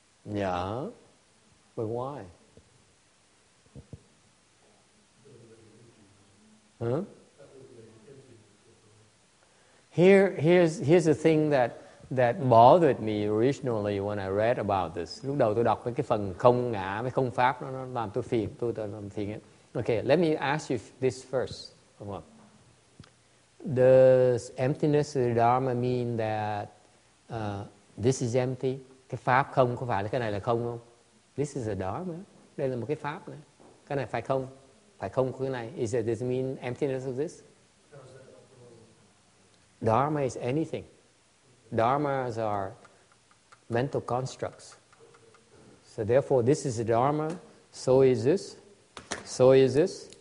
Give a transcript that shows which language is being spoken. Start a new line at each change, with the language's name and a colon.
English: Yeah, but why? Here's the thing that bothered me originally when I read about this.
Vietnamese: Lúc đầu tôi đọc với cái phần không ngã với không pháp nó làm tôi phiền, tôi làm phiền ấy.
English: Okay, let me ask you this first. Does emptiness of the dharma mean that this is empty?
Vietnamese: Cái pháp không có phải là cái này là không không?
English: This is a dharma.
Vietnamese: Đây là một cái pháp này. Cái này phải không? Phải không của cái này?
English: Is it, does it mean emptiness of this? Dharma is anything. Dharmas are mental constructs. So therefore, this is a dharma. So is this. So is this.